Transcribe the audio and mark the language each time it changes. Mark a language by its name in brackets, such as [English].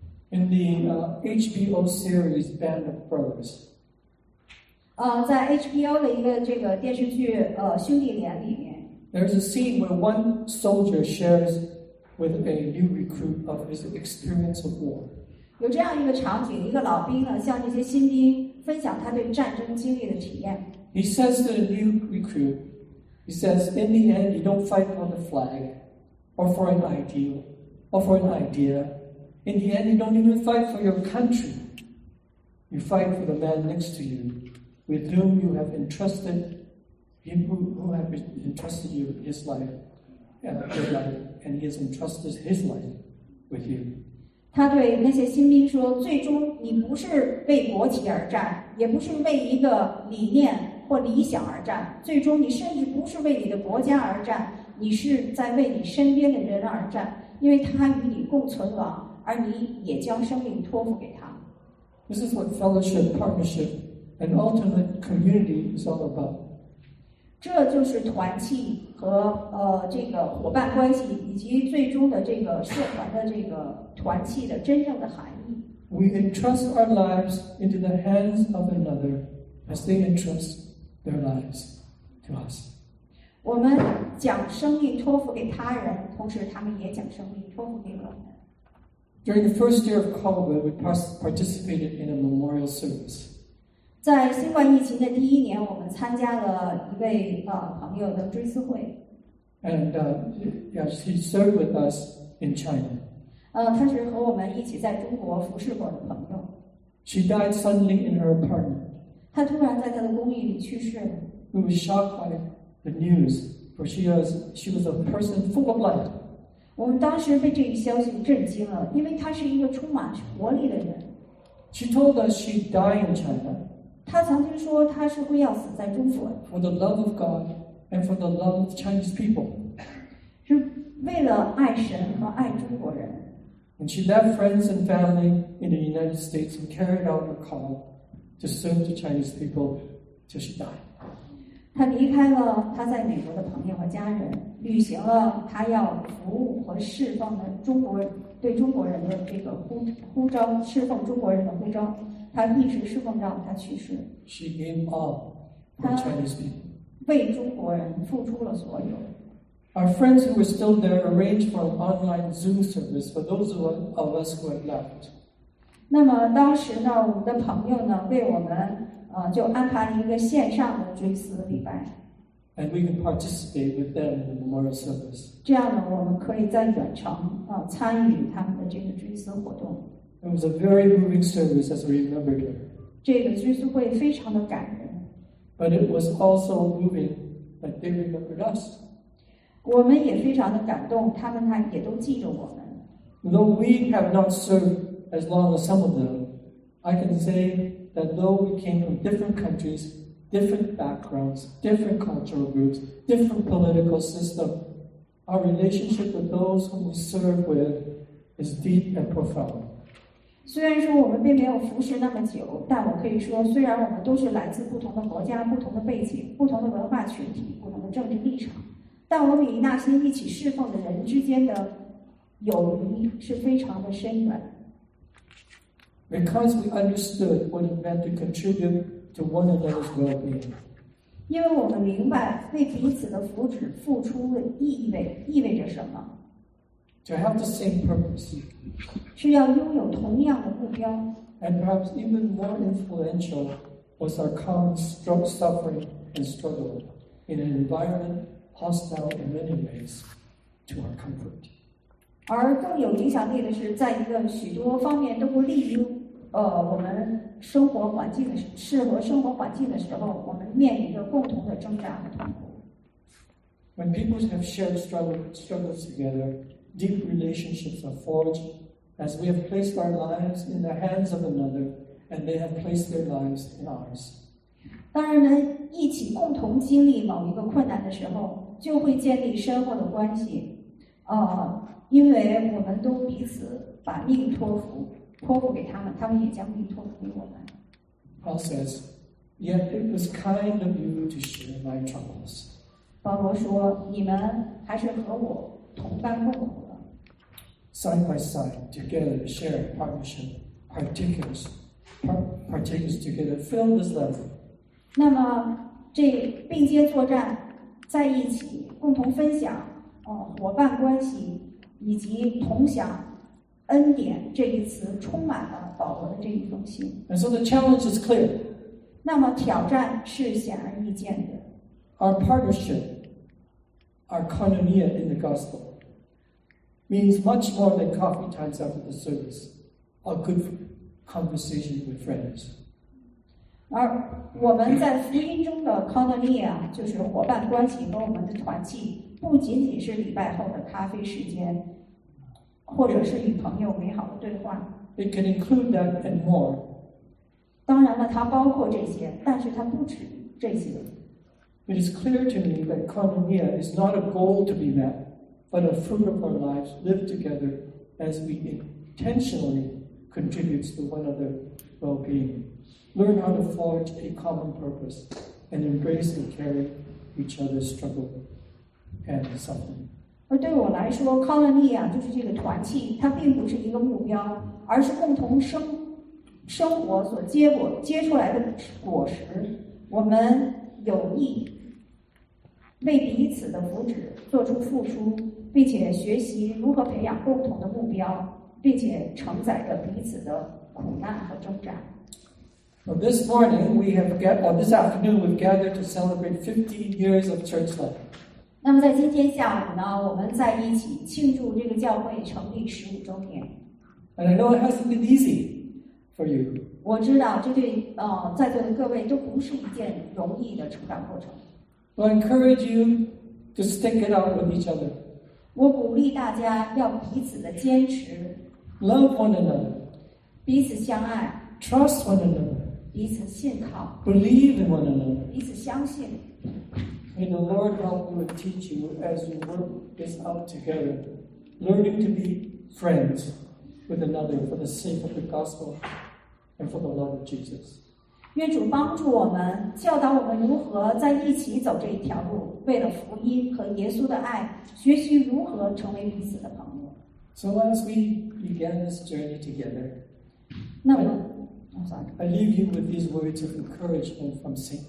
[English] In the HBO series Band of Brothers， [Chinese] 在 HBO 的一个这个电视剧兄弟连里面， [English] There's a scene where one soldier shares with a new recruit of his experience of war. [Chinese] 有这样一个场景，一个老兵呢，向这些新兵分享他对战争经历的体验。 [English] He says to the new recruit, he says, in the end, you don't fight for the flag, or for an ideal, or for an idea. In the end, you don't even fight for your country. You fight for the man next to you, with whom you have entrusted who have entrusted you his life, and he has entrusted his life with you. [Chinese] 他对那些新兵说：“最终你不是为国旗而战，也不是为一个理念或理想而战。最终，你甚至不是为你的国家而战，你是在为你身边的人而战，因为他与你共存亡，而你也将生命托付给他。” [English] This is what fellowship, partnership, and ultimate community is all about. [Chinese] 这就是团契和这个伙伴关系以及最终的这个社团的这个团契的真正的含义。 [English] We entrust our lives into the hands of another as they entrust their lives to us. [Chinese] 我们将生命托付给他人，同时他们也将生命托付给我们。 [English] During the first year of COVID, we participated in a memorial service. [Chinese] 在新冠疫情的第一年，我们参加了一位朋友的追思会。 [English] And yes, he served with us in China. [Chinese] 他是和我们一起在中国服侍过的朋友。 [English] She died suddenly in her apartment. [Chinese] 她突然在她的公寓里去世。 [English] We were shocked by the news, for she was a person full of life. [Chinese] 我们当时被这一消息震惊了，因为她是一个充满活力的人。 [English] She told us she died in China. [Chinese] 他曾经说他是会要死在中国。 [English] For the love of God and for the love of Chinese people. [Chinese] 是为了爱神和爱中国人。 [English] And she left friends and family in the United States and carried out her call to serve the Chinese people till she died. [Chinese] 他离开了他在美国的朋友和家人，履行了他要服务和侍奉的中国对中国人的这个呼召，侍奉中国人的呼召。他一直侍奉到他去世。 [English] She gave all for Chinese people. [Chinese] 为中国人付出了所有。 [English] Our friends who were still there arranged for an online Zoom service for those of us who had left. [Chinese] 那么当时呢，我们的朋友呢，为我们就安排了一个线上的追思礼拜。 [English] And we can participate with them in the memorial service. [Chinese] 这样呢，我们可以在远程参与他们的这个追思活动。 [English] It was a very moving service, as we remembered it. [Chinese] 这个追思会非常的感人。 [English] But it was also moving that they remembered us. [Chinese] 我们也非常的感动，他们还也都记着我们。 [English] Though we have not served as long as some of them, I can say that though we came from different countries, different backgrounds, different cultural groups, different political systems, our relationship with those whom we serve with is deep and profound. [Chinese] 虽然说我们并没有服侍那么久，但我可以说，虽然我们都是来自不同的国家、不同的背景、不同的文化群体、不同的政治立场，但我们与那些一起侍奉的人之间的友谊是非常的深远。 [English] Because we understood what it meant to contribute to one another's well-being. [Chinese] 因为我们明白为彼此的福祉付出的意味着什么。 [English] To have the same purpose. [Chinese] 是要拥有同样的目标。 [English] And perhaps even more influential was our common suffering and struggle in an environment hostile in many ways to our comfort. [Chinese] 而更有影响力的是，在一个许多方面都不利于我们生活环境的适合生活环境的时候，我们面临着共同的挣扎和痛苦。 [English] When people have shared struggles together. Deep relationships are forged as we have placed our lives in the hands of another, and they have placed their lives in ours. [Chinese] 当人们一起共同经历某一个困难的时候，就会建立深厚的关系，因为我们都彼此把命托付给他们，他们也将命托付给我们。 [English] Paul says, "Yet it was kind of you to share my troubles." [Chinese] 保罗说，你们还是和我同甘共苦的。 [English] Side by side, together, share partnership, partakers together, fill this love. [Chinese] 那么这并肩作战，在一起共同分享，伙伴关系以及同享恩典，这一词充满了保罗的这一封信。 [English] And so the challenge is clear. [Chinese] 那么挑战是显而易见的。 [English] Our partnership, our koinonia in the gospel, means much more than coffee times after the service, or good conversation with friends. [Chinese] 而我们在福音中的 koinonia 就是伙伴关系和我们的团契，不仅仅是礼拜后的咖啡时间，或者是与朋友美好的对话。 [English] It can include that and more. [Chinese] 当然了，它包括这些，但是它不止这些。 [English] It is clear to me that koinonia is not a goal to be met, but a fruit of our lives lived together as we intentionally contribute to one another's well-being. Learn how to forge a common purpose and embrace and carry each other's struggle and suffering. [Chinese] 而对我来说 ，colonia 就是这个团契，它并不是一个目标，而是共同生活所结出来的果实。我们有意为彼此的福祉做出付出，并且学习如何培养共同的目标，并且承载着彼此的苦难和挣扎。 [English] Well, this morning we have this afternoon we've gathered to celebrate 15 years of church life. [Chinese] 那么在今天下午呢，我们在一起庆祝这个教会成立15周年。 [English] And I know it hasn't been easy for you. [Chinese] 我知道这对在座的各位都不是一件容易的成长过程。 [English] I encourage you to stick it out with each other. [Chinese] 我鼓励大家要彼此的坚持。 [English] Love one another. [Chinese] 彼此相爱。 [English] Trust one another. [Chinese] 彼此信靠 [English] Believe in one another. [Chinese] 彼此相信 [English] May the Lord help you and teach you as you work this out together, learning to be friends with another for the sake of the gospel and for the love of Jesus. [Chinese] 愿主帮助我们，教导我们如何在一起走这一条路，为了福音和耶稣的爱，学习如何成为彼此的朋友。 [English] So as we begin this journey together, [Chinese] 那么。 [English] I leave you with these words of encouragement from St.